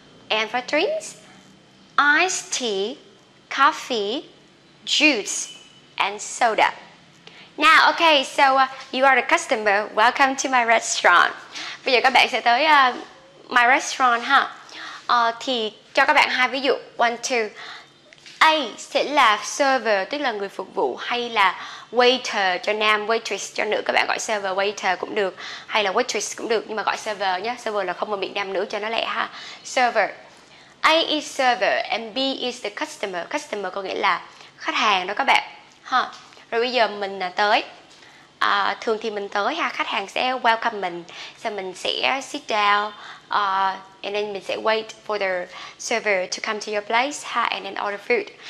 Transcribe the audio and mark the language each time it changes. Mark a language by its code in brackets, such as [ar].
[en] And for drinks, iced tea, coffee, juice, and soda. Now, okay, so you are a customer. Welcome to my restaurant. [vi] Bây giờ các bạn sẽ tới [en] my restaurant [vi] ha. Thì cho các bạn hai ví dụ. [en] One, two. [vi] A sẽ là server, tức là người phục vụ, hay là waiter cho nam, waitress cho nữ, các bạn gọi server waiter cũng được, hay là waitress cũng được, nhưng mà gọi server nhé, server là không ở miệng nam nữ cho nó lẹ ha. [en] Server. A is server and B is the customer. [vi] Customer có nghĩa là khách hàng đó các bạn ha. Rồi bây giờ mình tới thường thì mình tới ha, khách hàng sẽ welcome mình, sau mình sẽ [en] sit down and then [vi] mình sẽ [en] wait for the server to come to your place [vi] ha, [en] and then order food.